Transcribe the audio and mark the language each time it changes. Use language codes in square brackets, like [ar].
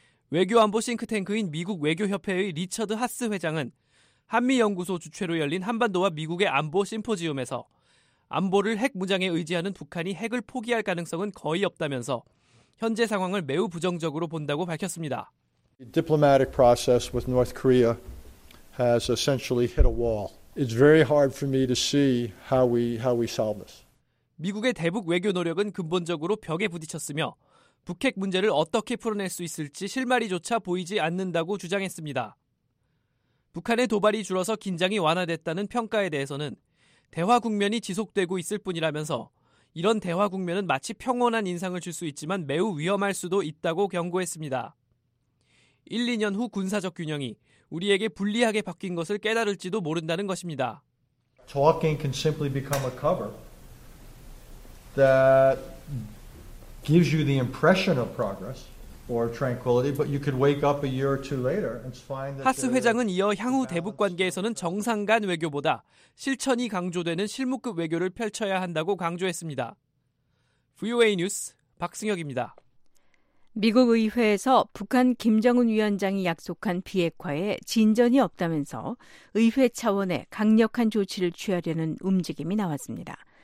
[ko] 외교안보 싱크탱크인 미국 외교협회의 리처드 하스 회장은 한미연구소 주최로 열린 한반도와 미국의 안보 심포지움에서 안보를 핵무장에 의지하는 북한이 핵을 포기할 가능성은 거의 없다면서 현재 상황을 매우 부정적으로 본다고 밝혔습니다. [en] Diplomatic process with North Korea has essentially hit a wall. It's very hard for me to see how we solve this. [ko] 미국의 대북 외교 노력은 근본적으로 벽에 부딪혔으며 북핵 문제를 어떻게 풀어낼 수 있을지 실마리조차 보이지 않는다고 주장했습니다. 북한의 도발이 줄어서 긴장이 완화됐다는 평가에 대해서는 대화 국면이 지속되고 있을 뿐이라면서 이런 대화 국면은 마치 평온한 인상을 줄 수 있지만 매우 위험할 수도 있다고 경고했습니다. 1, 2년 후 군사적 균형이 우리에게 불리하게 바뀐 것을 깨달을지도 모른다는 것입니다. [en] Talking can simply become a cover that gives you the impression of progress or tranquility, but you could wake up a year or two later and find that. [ko] 하스 회장은 이어 향후 대북 관계에서는 정상 간 외교보다 실천이 강조되는 실무급 외교를 펼쳐야 한다고 강조했습니다. VOA 뉴스 박승혁입니다. 미국 의회에서 북한 김정은 위원장이 약속한 비핵화에 진전이 없다면서 의회 차원의 강력한 조치를 취하려는 움직임이 나왔습니다.